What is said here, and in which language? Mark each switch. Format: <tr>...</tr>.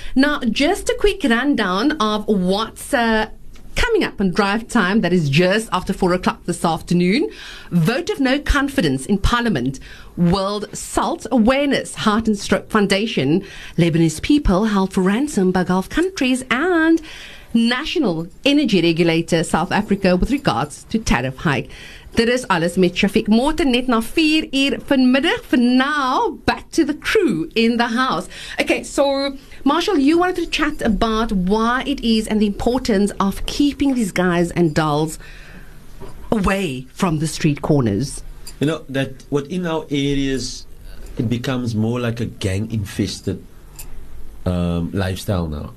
<en>Now, just a quick rundown of what's coming up on Drive Time, that is just after 4 o'clock this afternoon. Vote of no confidence in Parliament. World Salt Awareness Heart and Stroke Foundation. Lebanese people held for ransom by Gulf countries. And National Energy Regulator South Africa with regards to tariff hike.</en> <af>Dit is alles met Shafiq Morton, net na 4 uur vanmiddag.</af> <en>For now, back to the crew in the house. Okay, so Marshall, you wanted to chat about why it is and the importance of keeping these guys and dolls away from the street corners. You know, that what in our areas, it becomes more like a gang-infested lifestyle now.</en>